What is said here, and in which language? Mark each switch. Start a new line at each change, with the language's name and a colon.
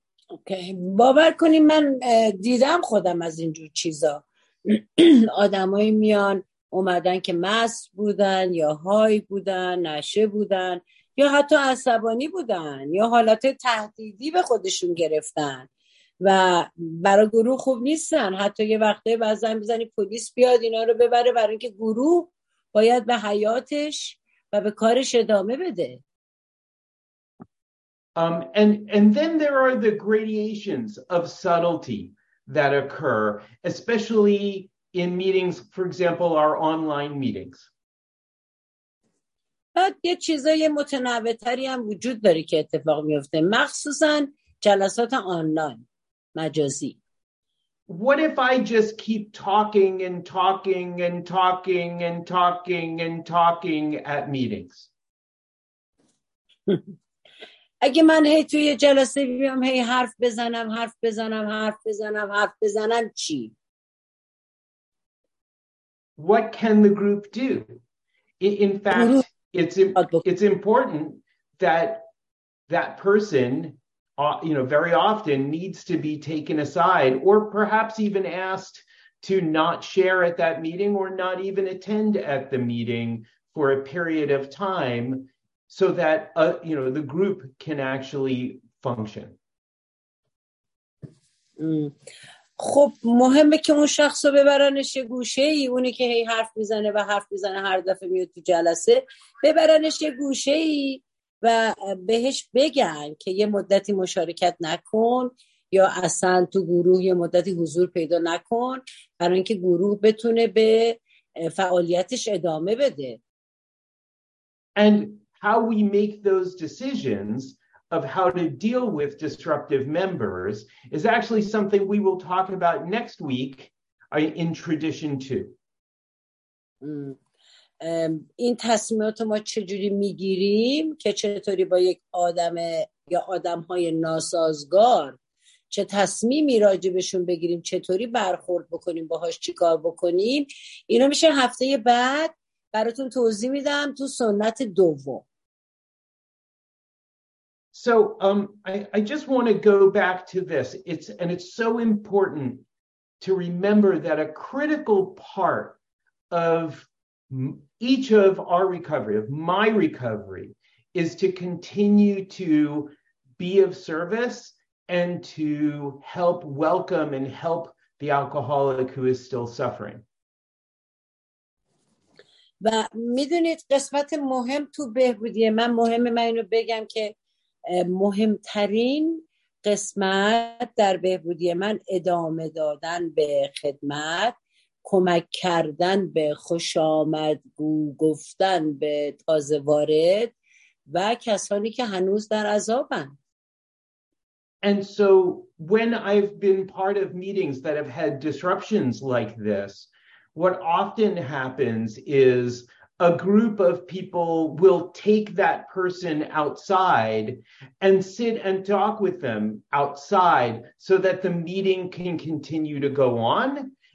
Persian: Okay, باور کنی من دیدم خودم از اینجور چیزا. آدم های میان اومدن که مست بودن یا های بودن، نشه بودن یا حتی عصبانی بودن یا حالات تهدیدی به خودشون گرفتن و برای گروه خوب نیستن. حتی یه وقته بعضی میزنی پلیس بیاد اینا رو ببره، برای اینکه گروه باید به حیاتش و به کارش ادامه بده.
English: And then there are the gradations of subtlety that occur, especially in meetings, for example, our online meetings.
Persian: بعد یه چیزای متنوع‌تری هم وجود داره که اتفاق میفته، مخصوصاً جلسات آنلاین مجازی.
English: What if I just keep talking and talking and talking and talking and talking at meetings?
Persian: اگه من هی توی یه جلسه بیام هی حرف بزنم حرف بزنم حرف بزنم حرف بزنم چی؟
English: What can the group do? In fact, it's important that person, you know, very often needs to be taken aside or perhaps even asked to not share at that meeting or not even attend at the meeting for a period of time so that you know, the group can actually function.
Persian: خب مهمه که اون شخص رو ببرنش یه گوشه ای، اونی که هی حرف میزنه و حرف میزنه هر دفعه میاد تو جلسه، ببرنش یه گوشه ای و بهش بگن که یه مدتی مشارکت نکن یا اصلا تو گروه یه مدتی حضور پیدا نکن، برای اینکه گروه بتونه به فعالیتش ادامه بده.
English: And how we make those decisions of how to deal with disruptive members is actually something we will talk about next week in tradition 2.
Persian: این تصمیمات ما چجوری میگیریم که چطوری با یک آدم یا آدم‌های ناسازگار چه تصمیمی راجبشون بگیریم، چطوری برخورد بکنیم باهاش، چیکار بکنیم، اینا میشه هفته بعد براتون توضیح میدم تو سنت دوم.
English: So I just want to go back to this. It's so important to remember that a critical part of each of our recovery, of my recovery, is to continue to be of service and to help welcome and help the alcoholic who is still suffering.
Persian: و میدونید قسمت مهم تو بهبودی من، مهمه من اینو بگم که مهمترین قسمت در بهبودی من ادامه دادن به خدمت، کمک کردن به خوش آمدگو گفتن به تازه وارد و کسانی که هنوز در عذابن.
English: And so when I've been part of meetings that have had disruptions like this, what often happens is a group of people will take that person outside and sit and talk with them outside so that the meeting can continue to go on.